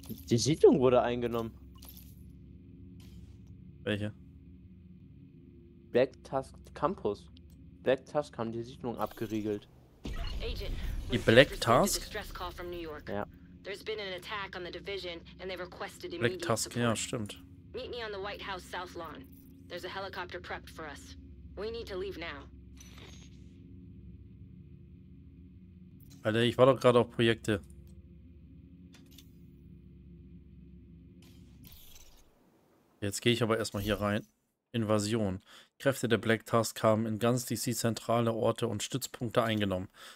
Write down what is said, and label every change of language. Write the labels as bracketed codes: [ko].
[de] Die Siedlung wurde eingenommen. Welche? Black Tusk Campus. Black Tusk haben die Siedlung abgeriegelt. Die Black Tusk? Ja. [en] There's been an attack on the division and they requested immediate Black Tusk, support. [de] Ja, stimmt. [en] Meet me on the White House South Lawn. There's a helicopter prepped for us. We need to leave now. [de] Alter, ich war doch gerade auf Projekte. Jetzt gehe ich aber erstmal hier rein. Invasion. Kräfte der Black Tusk haben in ganz DC zentrale Orte und Stützpunkte eingenommen.